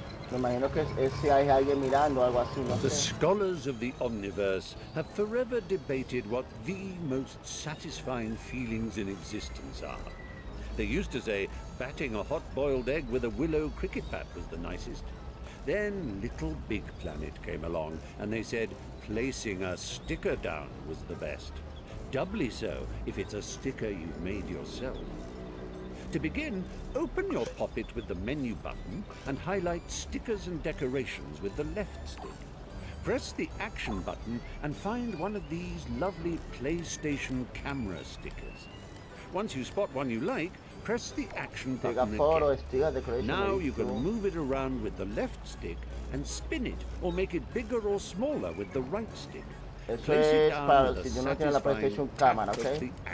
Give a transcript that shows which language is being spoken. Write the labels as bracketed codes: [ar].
[es] Me imagino que es si hay alguien mirando o algo así. No sé. [en] The scholars of the omniverse have forever debated what the most satisfying feelings in existence are. They used to say batting a hot boiled egg with a willow cricket bat was the nicest. Then Little Big Planet came along and they said placing a sticker down was the best. Doubly so if it's a sticker you've made yourself. To begin, open your poppet with the menu button and highlight stickers and decorations with the left stick. Press the action button and find one of these lovely PlayStation camera stickers. Once you spot one you like, press the action button again. Now you can move it around with the left stick and spin it or make it bigger or smaller with the right stick. [es] Eso es para si yo no tengo la PlayStation cámara, ¿ok?